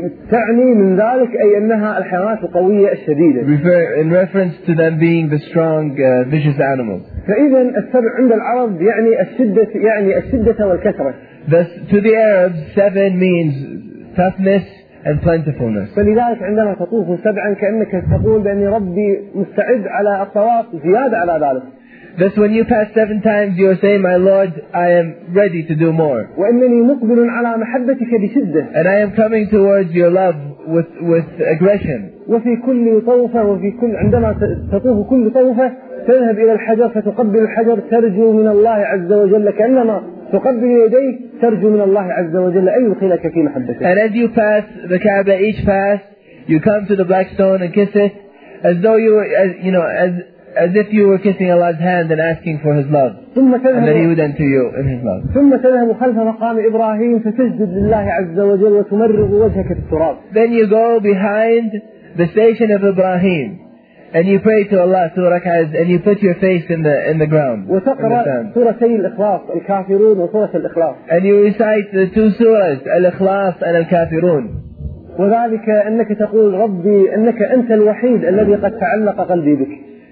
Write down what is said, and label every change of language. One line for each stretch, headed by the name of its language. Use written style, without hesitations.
Arabic: تعني من ذلك أي أنها الحيوانات القوية الشديدة.
English: In reference to them being the strong, vicious animals.
Arabic: فإذا السبع عند العرب يعني الشدة والكثرة.
English: Thus, to the Arabs, seven means toughness and plentifulness.
Arabic: فلذلك عندما تطوف سبعا كأنك تقول بأن ربي مستعد على الطواف زيادة على ذلك.
English: Thus, when you pass seven times, you are saying, "My Lord, I am ready to do more."
Arabic: وإنني مقبل على محبتك بشدة.
English: And I am coming towards your love with aggression.
Arabic: وفي كل طوفة وفي كل عندما تطوف كل طوفة تذهب إلى الحجر فتقبل الحجر ترجو من الله عز وجل كأنما تقبل يديه ترجو من الله عز وجل أن يدخلك في محبته.
English: And as you pass the Kaaba each pass, you come to the black stone and kiss it, as though you were, as if you were kissing Allah's hand and asking for His love, and that He would enter you in His love.
Arabic: ثم تذهب خلف مقام إبراهيم فتسجد لله عز وجل وتمرغ وجهك في التراب.
English: Then you go behind the station of Ibrahim, and you pray to Allah two rak'ahs, and you put your face in the ground.
Arabic: وتقرأ سورتي الإخلاص الكافرون وسورة الإخلاص.
English: And you recite the two surahs, الإخلاص and الكافرون.
Arabic: وذلك أنك تقول ربي أنك أنت الوحيد الذي قد تعلق قلبي بك.